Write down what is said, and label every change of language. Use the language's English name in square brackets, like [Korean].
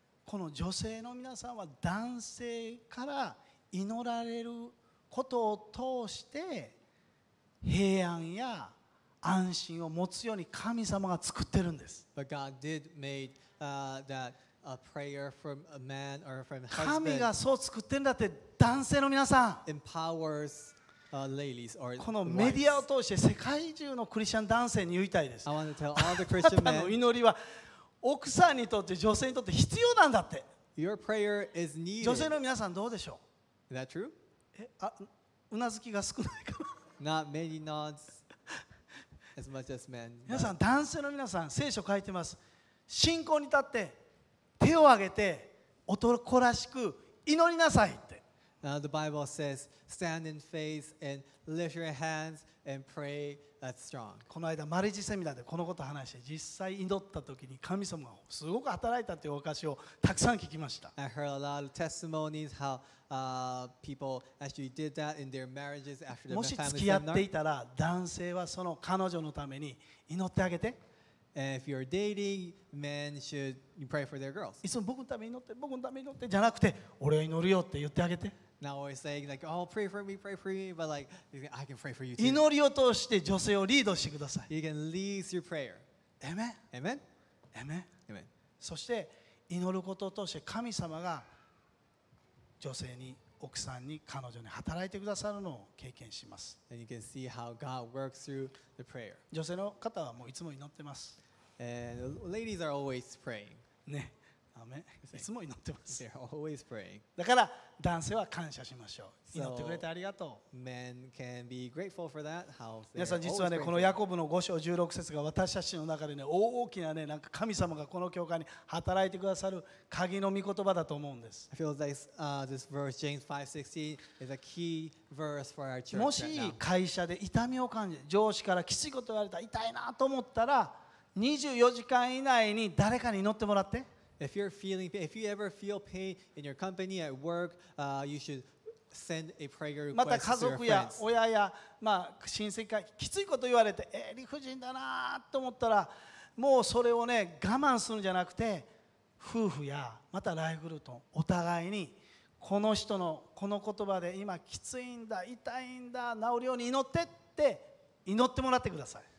[Japanese] この女性の皆さんは男性から祈られることを通して平安や安心を持つように神様が作ってるんです。 [English] But God did made, that a prayer from a man or from a husband. [Japanese] 神がそう作ってるんだって男性の皆さん。 [English] Empowers, ladies or wives. [Japanese] このメディアを通して世界中のクリスチャン男性に言いたいです。 [English] I want to tell all the Christian men. [Japanese] あなたの祈りは奥さんにとって女性にとって必要なんだって。 [English] Your prayer is needed. [Japanese] 女性の皆さんどうでしょう。 [English] Is that true? [Japanese] うなずきが少ないかな。 [English] Not many nods as much as men. [Japanese] 皆さん男性の皆さん聖書書いてます。信仰に立って手を挙げて男らしく祈りなさいって。 [English] The Bible says stand in faith and lift your hands and pray. That's strong. [Japanese] この間マリージセミナーでこのことを話して実際祈った時に神様がすごく働いたっていうお証をたくさん聞きました。 [English] I heard a lot of testimonies how people actually did that in their marriages after the family seminar. [Japanese] もし付き合っていたら男性はその彼女のために祈ってあげて。 [English] If you're dating, men should pray for their girls. [Japanese] いつも僕のために祈って、僕のために祈ってじゃなくて、俺は祈るよって言ってあげて。 [English] Now always saying like, oh, pray for me, pray for me, but like, I can pray for you too. [Japanese] 祈りを通して女性をリードしてください。 [English] You can lead through prayer. Amen. Amen. Amen. Amen. [Japanese] そして祈ることを通して神様が女性に、奥さんに、彼女に働いてくださるのを経験します。 [English] And you can see how God works through the prayer. [Japanese] 女性の方はもういつも祈ってます。 [English] And ladies are always praying. [Japanese] ね。Amen. いつも祈ってます。 [English] They're always praying. [Japanese] だから男性は感謝しましょう。祈ってくれてありがとう。 [English] Men can be grateful for that. How [Japanese] 皆さん実はね、このヤコブの5章16節が私たちの中でね、大きなね、なんか神様がこの教会に働いてくださる鍵の御言葉だと思うんです。 [English] I feel like this verse, James 5:16, is a key verse for our church. [Japanese] もし会社で痛みを感じ、上司からきついこと言われた、痛いなと思ったら、24時間以内に誰かに祈ってもらって。 [English] If you're feeling pain, if you ever feel pain in your company at work, you should send a prayer request. [Japanese] また家族や親や、まあ、親戚からきついこと言われて、理不尽だなと思ったら、もうそれをね我慢するんじゃなくて、夫婦やまたライフグループお互いにこの人のこの言葉で今きついんだ痛いんだ治るように祈ってって祈ってもらってください。